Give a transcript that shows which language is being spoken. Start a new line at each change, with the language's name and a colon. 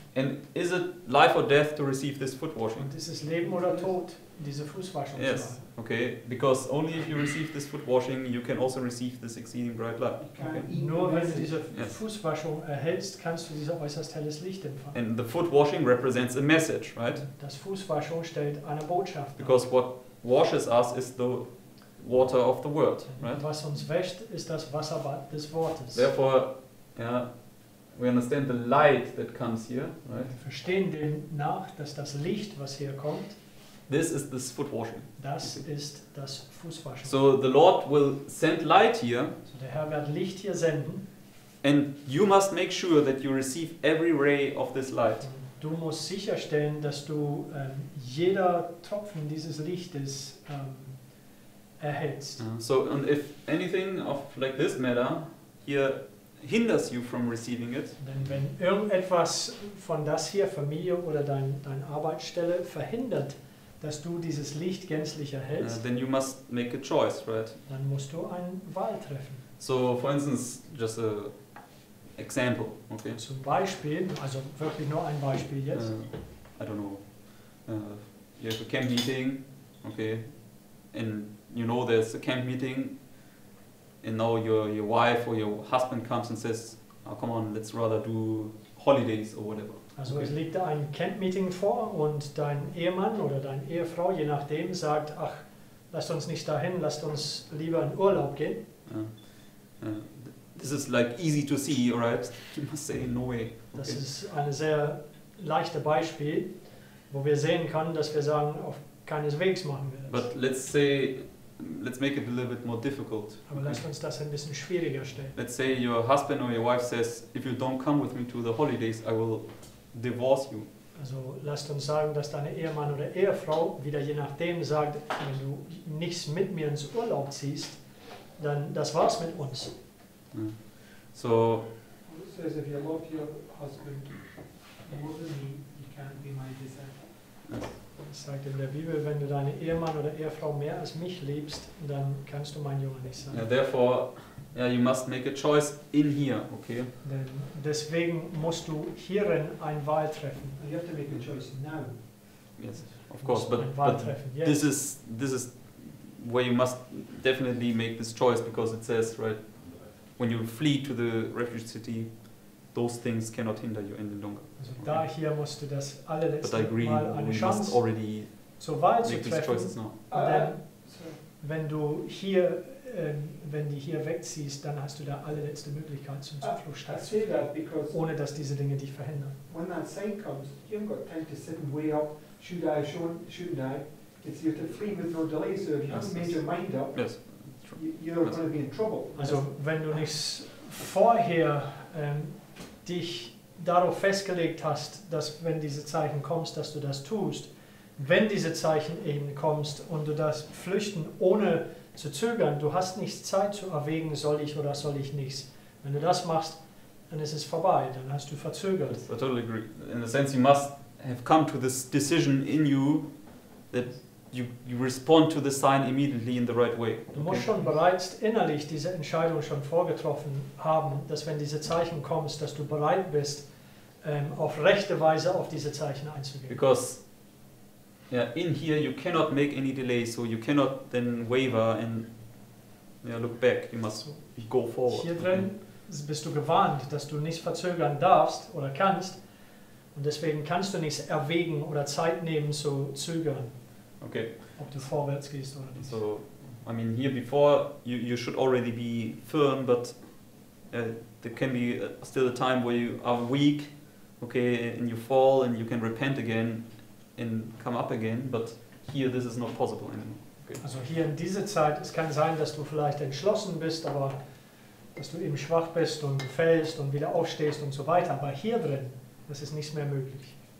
English: And is it life or death to receive this foot washing?
German: Und ist es Leben oder Tod? Diese Fußwaschung.
English: Yes, okay. Because only if you receive this foot washing, you can also receive this exceeding bright light. Okay.
German: Nur wenn du diese Fußwaschung erhältst, kannst du dieses äußerst helles Licht empfangen.
English: And the foot washing represents a message, right?
German: Das Fußwaschung stellt eine Botschaft dar.
English: Because what washes us is the water of the word, right?
German: Was uns wäscht, ist das Wasserbad des Wortes.
English: Therefore, we understand the light that comes here, right?
German: Wir verstehen dem nach, dass das Licht, was hier kommt,
English: this is this foot washing.
German: Das ist das Fußwaschen.
English: So the Lord will send light here.
German: So der Herr wird Licht hier senden.
English: And you must make sure that you receive every ray of this light.
German: Du musst sicherstellen, dass du jeder Tropfen dieses Lichtes erhältst.
English: So and if anything of like this matter here hinders you from receiving it.
German: Denn wenn irgendetwas von das hier, Familie oder dein Arbeitsstelle verhindert, dass du dieses Licht gänzlich erhältst,
English: then you must make a choice, right?
German: Dann musst du eine Wahl treffen.
English: So, for instance, just a example, okay?
German: Zum Beispiel, also wirklich nur ein Beispiel jetzt.
English: I don't know. You have a camp meeting, okay? And you know there's a camp meeting, and now your wife or your husband comes and says, oh, come on, let's rather do holidays or whatever.
German: Also es liegt da ein Camp-Meeting vor und dein Ehemann oder deine Ehefrau, je nachdem, sagt, ach, lasst uns nicht dahin, lasst uns lieber in Urlaub gehen.
English: Yeah. This is like easy to see, right? You must say in Norway. Okay.
German: Das ist ein sehr leichter Beispiel, wo wir sehen können, dass wir sagen, auf keineswegs machen wir das.
English: But let's say, let's make it a little bit more difficult.
German: Aber lasst uns das ein bisschen schwieriger stellen.
English: Let's say your husband or your wife says, if you don't come with me to the holidays, I will divorce you.
German: Also lasst uns sagen, dass deine Ehemann oder Ehefrau wieder je nachdem sagt, wenn du nichts mit mir ins Urlaub ziehst, dann das war's mit uns.
English: So, it says if you love your husband more than me, you can't be my disciple.
German: Es sagt in der Bibel, wenn du deine Ehemann oder Ehefrau mehr als mich liebst, dann kannst du mein Jünger nicht sein.
English: Yeah, therefore, yeah, you must make a choice in here, okay?
German: Denn deswegen musst du hierin eine Wahl treffen.
English: You have to make a choice now. Yes, of course, but this is where you must definitely make this choice, because it says, right, when you flee to the refuge city, those things cannot hinder you any longer.
German: Also da hier musst du das allerletzte Mal eine Chance.
English: But I agree, already
German: zur Wahl
English: make
German: zu treffen,
English: now.
German: Denn wenn du hier, wenn die hier wegziehst, dann hast du da allerletzte Möglichkeit zum Zufluchtsort, ohne dass diese Dinge dich verhindern.
English: When that sign comes, you haven't got time to sit and weigh up, should I, shouldn't I? It's you have to flee with no delay, so if you haven't made your mind up, yes. You're going to be in trouble.
German: Also, wenn du nicht vorher dich darauf festgelegt hast, dass wenn diese Zeichen kommst, dass du das tust, wenn diese Zeichen eben kommst und du das flüchten ohne zu zögern, du hast nicht Zeit zu erwägen, soll ich oder soll ich nichts. Wenn du das machst, dann ist es vorbei, dann hast du verzögert.
English: I totally agree. In the sense, you must have come to this decision in you that you respond to the sign immediately in the right way. Okay?
German: Du musst schon bereits innerlich diese Entscheidung schon vorgetroffen haben, dass wenn diese Zeichen kommst, dass du bereit bist, auf rechte Weise auf diese Zeichen einzugehen.
English: Because yeah, in here you cannot make any delay, so you cannot then waver and yeah, look back. You must go forward.
German: Hier drin bist du gewarnt, dass du nicht verzögern darfst oder kannst, und deswegen kannst du nichts erwägen oder Zeit nehmen zu zögern.
English: Okay.
German: Ob du vorwärts gehst oder nicht.
English: So, I mean, here before you should already be firm, but there can be still a time where you are weak, okay, and you fall and you can repent again and come up again, but here this is not possible anymore. Okay.
German: Also hier in dieser Zeit, es kann sein, dass du vielleicht entschlossen bist, aber dass du eben schwach bist und fällst und wieder aufstehst und so weiter, aber hier drin, das ist nichts mehr möglich.